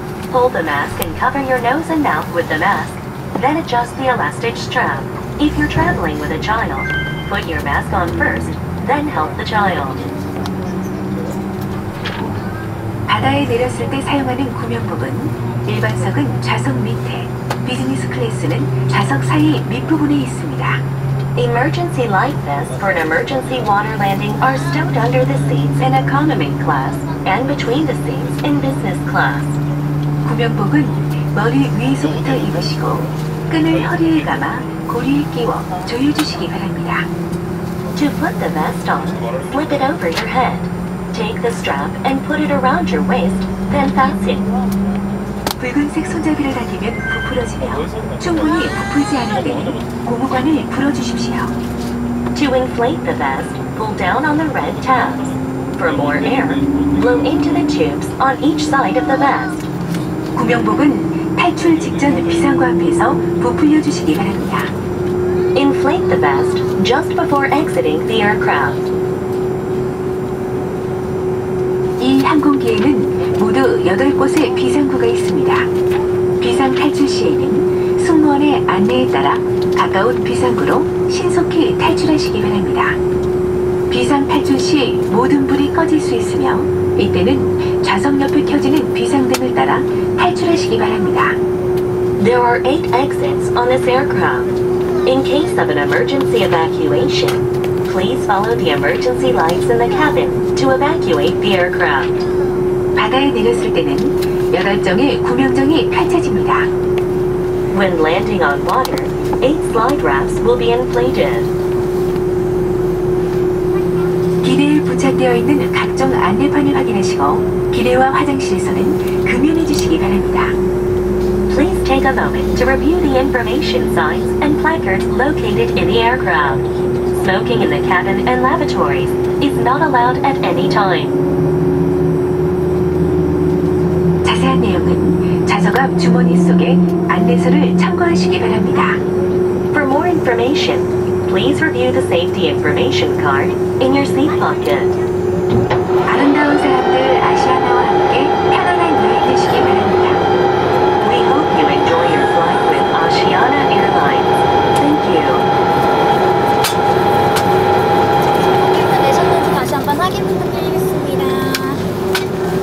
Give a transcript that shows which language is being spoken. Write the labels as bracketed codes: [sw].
[en] Pull the mask and cover your nose and mouth with the mask, then adjust the elastic strap. If you're traveling with a child, put your mask on first, then help the child. [ko] 바다에 내렸을 때 사용하는 구명복은 일반석은 좌석 밑에, 비즈니스 클래스는 좌석 사이 밑부분에 있습니다. [en] Emergency life vests for an emergency water landing are stowed under the seats in economy class and between the seats in business class. [ko] 구명복은 머리 위에서부터 입으시고 끈을 허리에 감아 고리에 끼워 조여주시기 바랍니다. [en] To put the vest on, slip it over your head. Take the strap and put it around your waist, then fasten. [ko] 붉은색 손잡이를 당기면 부풀어지며 충분히 부풀지 않을 때는 고무관을 풀어주십시오. [en] To inflate the vest, pull down on the red tabs. For more air, blow into the tubes on each side of the vest. [ko] 구명복은 탈출 직전 비상구 앞에서 부풀려주시기 바랍니다. [en] Inflate the vest just before exiting the aircraft. [ko] 이 항공기에는 모두 8곳의 비상구가 있습니다. 비상 탈출 시에는 승무원의 안내에 따라 가까운 비상구로 신속히 탈출하시기 바랍니다. 비상 탈출 시 모든 불이 꺼질 수 있으며 이때는 좌석 옆에 켜지는 비상등을 따라 탈출하시기 바랍니다. [en] There are 8 exits on this aircraft. In case of an emergency evacuation, please follow the emergency lights in the cabin to evacuate the aircraft. [ko] 바다에 내렸을 때는 8정의 구명정이 펼쳐집니다. [en] When landing on water, 8 slide wraps will be inflated. [ko] 기대에 부착되어 있는 각종 안내판을 확인하시고 기내와 화장실에서는 금연해 주시기 바랍니다. [en] Please take a moment to review the information signs and placards located in the aircraft. Smoking in the cabin and lavatories is not allowed at any time. [ko] 자세한 내용은 좌석 앞 주머니 속에 안내서를 참고하시기 바랍니다. [en] For more information, please review the safety information card in your seat pocket. [ko] 아름다운 사람들 아시아나와 함께 편안한 여행 되시기 바랍니다. [en] We hope you enjoy your flight with Asiana Airlines. Thank you. [ko] 티켓을 내셨는지 다시 한번 확인 부탁드리겠습니다.